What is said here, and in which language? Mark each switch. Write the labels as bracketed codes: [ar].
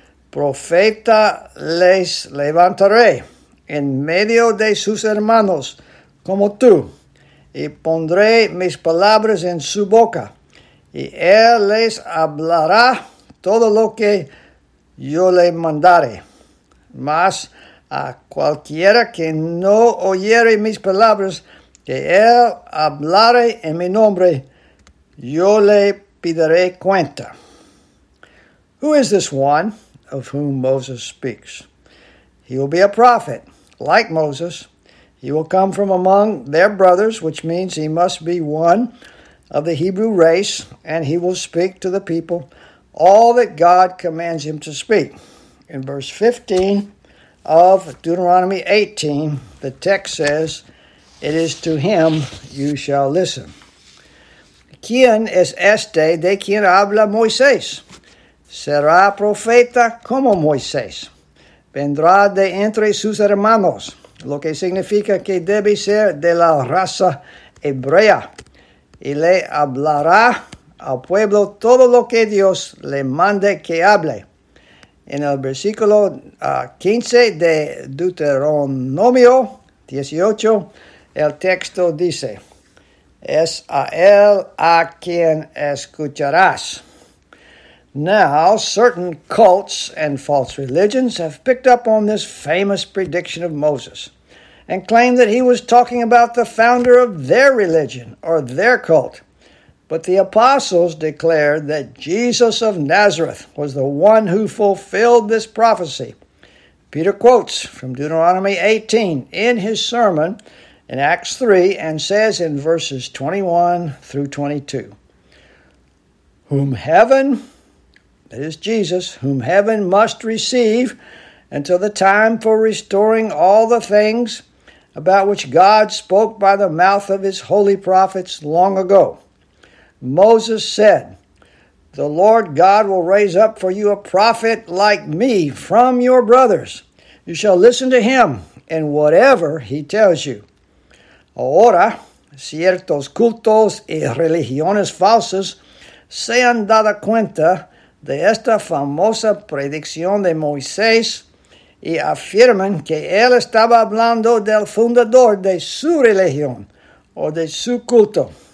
[es] Profeta les levantaré en medio de sus hermanos como tú, y pondré mis palabras en su boca, y él les hablará todo lo que yo le mandare. Mas a cualquiera que no oyere mis palabras, que él hablare en mi nombre, yo le pidere cuenta. [en] Who is this one of whom Moses speaks? He will be a prophet, like Moses. He will come from among their brothers, which means he must be one of the Hebrew race, and he will speak to the people all that God commands him to speak. In verse 15 of Deuteronomy 18, the text says, "It is to him you shall listen." [es] ¿Quién es este de quien habla Moisés? Será profeta como Moisés. Vendrá de entre sus hermanos, lo que significa que debe ser de la raza hebrea. Y le hablará al pueblo todo lo que Dios le mande que hable. En el versículo 15 de Deuteronomio 18, el texto dice, es a él a quien escucharás. [en] Now, certain cults and false religions have picked up on this famous prediction of Moses and claim that he was talking about the founder of their religion or their cult. But the apostles declared that Jesus of Nazareth was the one who fulfilled this prophecy Peter quotes from Deuteronomy 18 in his sermon in Acts 3 and says in verses 21 through 22, whom heaven, that is Jesus, whom heaven must receive until the time for restoring all the things about which God spoke by the mouth of his holy prophets long ago. Moses said, the Lord God will raise up for you a prophet like me from your brothers. You shall listen to him in whatever he tells you. [es] Ahora, ciertos cultos y religiones falsas se han dado cuenta de esta famosa predicción de Moisés y afirman que él estaba hablando del fundador de su religión o de su culto.